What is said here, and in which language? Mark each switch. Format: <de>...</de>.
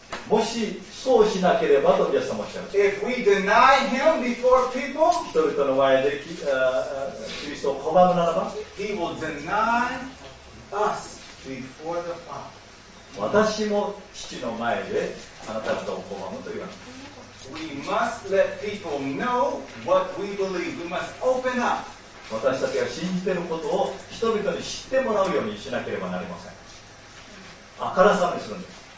<ja>もしそうしなければとイエス様はおっしゃる。</ja> <en>If we deny him before people,</en> <ja>人々の前でキリストを拒むならば、</ja> <en>He will deny us before the Father.</en> <ja>私も父の前であなた方を拒むというわけです。</ja> <en>We must let people know what we believe. We must open up.</en> <ja>私たちが信じていることを人々に知ってもらうようにしなければなりません。あからさまにするんです。</ja>